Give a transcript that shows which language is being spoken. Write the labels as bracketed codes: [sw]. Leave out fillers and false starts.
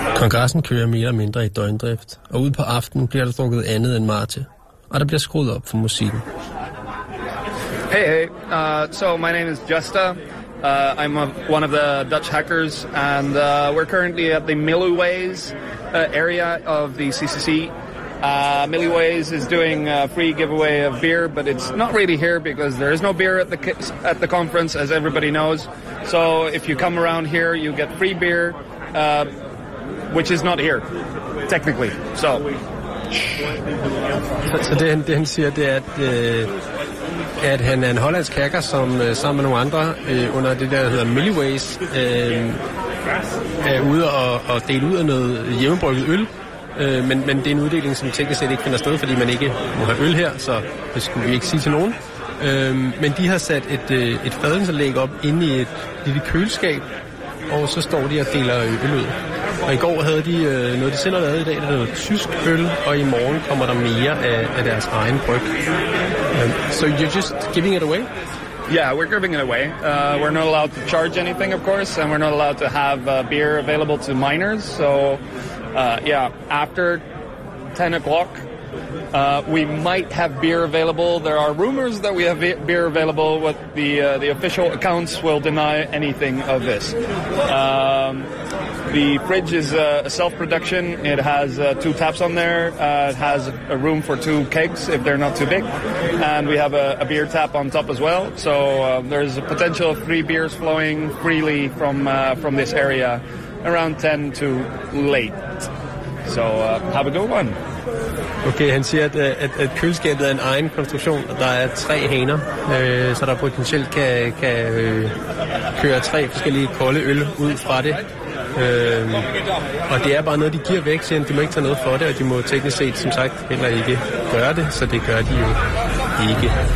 [da] Kongressen kører mere eller mindre i døgndrift, og ude på aftenen bliver der drukket andet end Marte, og der bliver skruet op for musikken. [en] Hey. So my name is Justa. I'm one of the Dutch hackers, and we're currently at the Milleways area of the CCC. Milleways is doing a free giveaway of beer, but it's not really here because there is no beer at the conference, as everybody knows. So if you come around here, you get free beer, which is not here, technically. So [da] Dan siger, at han er en hollandsk hacker, som sammen med nogle andre under det der hedder Milleways er ude og dele ud af noget hjemmebrygget øl, men det er en uddeling, som teknisk set ikke finder sted, fordi man ikke må have øl her, så det skulle vi ikke sige til nogen. Men de har sat et fadelsanlæg op inde i et lille køleskab, og så står de og deler øl ud. Og i går havde de noget, de selv har lavet i dag, der hedder tysk øl, og i morgen kommer der mere af deres egen bryg. [en] So you're just giving it away? Yeah, we're giving it away. We're not allowed to charge anything, of course, and we're not allowed to have beer available to minors. So, yeah, after 10 o'clock, we might have beer available. There are rumors that we have beer available, but the official accounts will deny anything of this. The fridge is a self-production. It has two taps on there. It has a room for two kegs if they're not too big. And we have a beer tap on top as well. So there's a potential of three beers flowing freely from this area around 10 to late. So have a good one. [da] Okay, han siger, at køleskabet er en egen konstruktion, og der er tre haner, så der potentielt kan køre tre forskellige kolde øl ud fra det. Og det er bare noget, de giver væk, så de må ikke tage noget for det, og de må teknisk set, som sagt, heller ikke gøre det, så det gør de jo ikke.